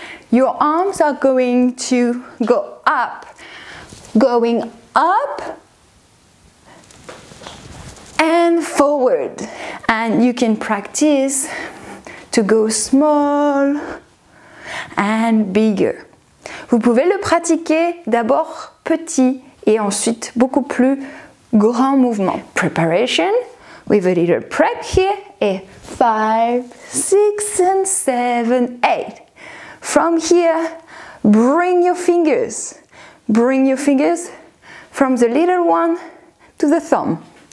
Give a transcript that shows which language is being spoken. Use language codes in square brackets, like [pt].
[en] Your arms are going to go up, going up and forward. And you can practice to go small and bigger. [fr] Vous pouvez le pratiquer d'abord petit et ensuite beaucoup plus grand mouvement. [en] Preparation with a little prep here et 5, 6 and 7, 8. From here, bring your fingers from the little one to the thumb.